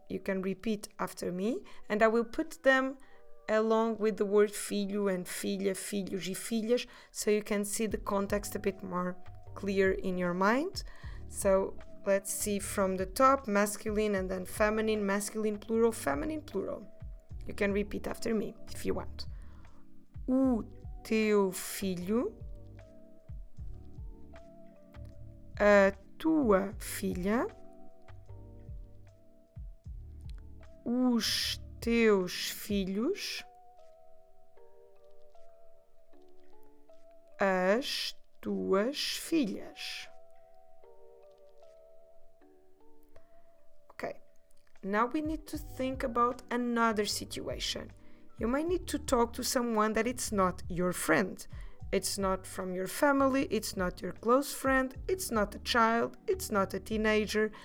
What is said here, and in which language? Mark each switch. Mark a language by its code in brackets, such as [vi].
[en] You can repeat after me, and I will put them along with the word filho and filha, [pt] filhos e filhas, [en] so you can see the context a bit more clear in your mind. So let's see from the top, masculine and then feminine, masculine plural, feminine plural. You can repeat after me if you want. [pt] O teu filho, a tua filha, os teus filhos, as tuas filhas. [en] Okay, now we need to think about another situation. You may need to talk to someone that it's not your friend. It's not from your family, it's not your close friend, it's not a child, it's not a teenager.